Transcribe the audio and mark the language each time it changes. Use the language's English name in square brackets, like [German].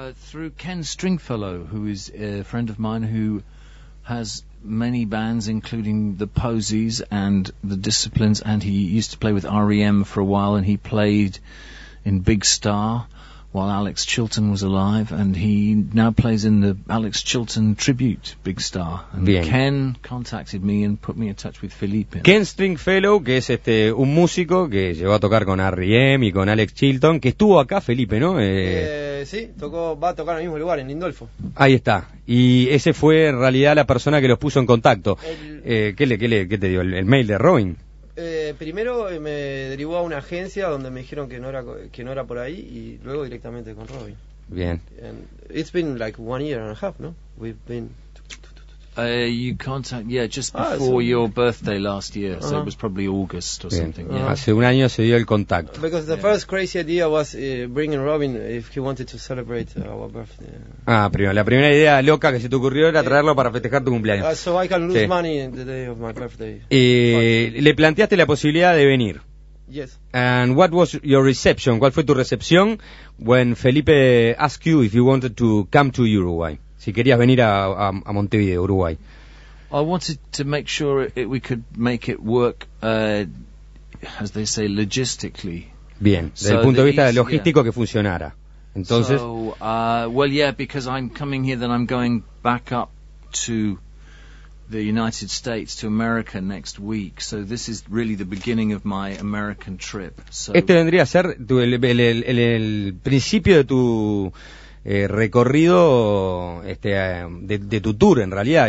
[English] Through Ken Stringfellow, who is a friend of mine who has many bands, including the Posies and the Disciplines, and he used to play with REM for a while, and he played in Big Star while Alex Chilton was alive, and he now plays in the Alex Chilton tribute, Big Star. And [Spanish] bien. [English] Ken contacted me and put me in touch with Felipe. [Spanish] Ken Stringfellow, que es este un músico que llegó a tocar con R.E.M. y con Alex Chilton, que estuvo acá, Felipe, ¿no? Sí, tocó, va a tocar en el mismo lugar, en Lindolfo. Ahí está. Y ese fue en realidad la persona que los puso en contacto. ¿Qué te dio? ¿El mail de Robin? Primero me derivó a una agencia donde me dijeron que no era por ahí, y luego directamente con Robin. Bien. [English] And it's been like 1.5 years, no? We've been. You contact, yeah, just before your birthday last year, so it was probably August or something. Yeah. [Spanish] Hace un año se dio el contacto. [English] Because the first crazy idea was bringing Robin if he wanted to celebrate our birthday. [Spanish] La primera idea loca que se te ocurrió era traerlo para festejar tu cumpleaños. [English] So I can lose money the day of my birthday. [Spanish] Le planteaste la posibilidad de venir. [English] Yes. And what was your reception? [Spanish] ¿Cuál fue tu recepción [English] when Felipe asked you if you wanted to come to Uruguay? [Spanish] Si querías venir a Montevideo, Uruguay. [English] I wanted to make sure we could make it work, as they say, logistically. [Spanish] Bien, desde el punto de vista logístico, que funcionara. Entonces. [English] So, well, yeah, because I'm coming here, then I'm going back up to the United States, to America next week. So this is really the beginning of my American trip. So [Spanish] este vendría a ser el principio de tu recorrido, de tu tour, en realidad.